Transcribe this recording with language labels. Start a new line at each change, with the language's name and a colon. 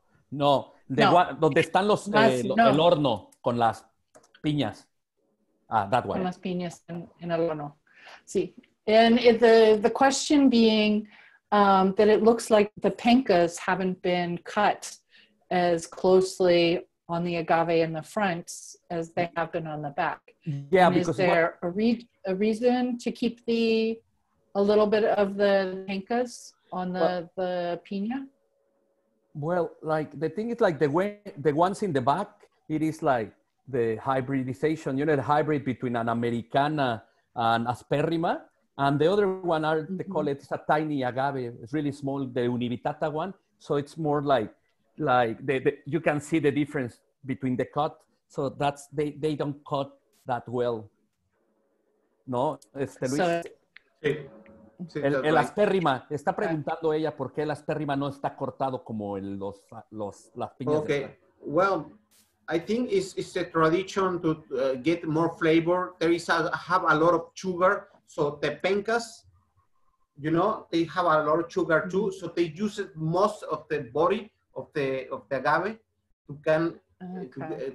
Spanish: No, donde están los el horno con las piñas.
English: Ah, that one.
Spanish: Con las piñas en el horno. Sí.
English: And the question being that it looks like the pencas haven't been cut as closely on the agave in the front as they have been on the back. Yeah, and because a reason to keep a little bit of the pancas on the piña? Well, like the thing is like the ones in the back, it is like the hybridization, you know, the hybrid between an Americana and Asperima. And the other one are, they call it, it's a tiny agave. It's really small, the Univitata one. So it's more like you can see the difference between the cut. So that's, they don't cut that well. No, Luis. So,
Spanish: El aspérrima. Está preguntando ella por qué el aspérrima no está cortado como el, los las piñas.
English: Okay. Well, I think it's a tradition to get more flavor. There is a, have a lot of sugar. So the pencas, you know, they have a lot of sugar too. Mm-hmm. So they use it most of the body of the agave to can okay.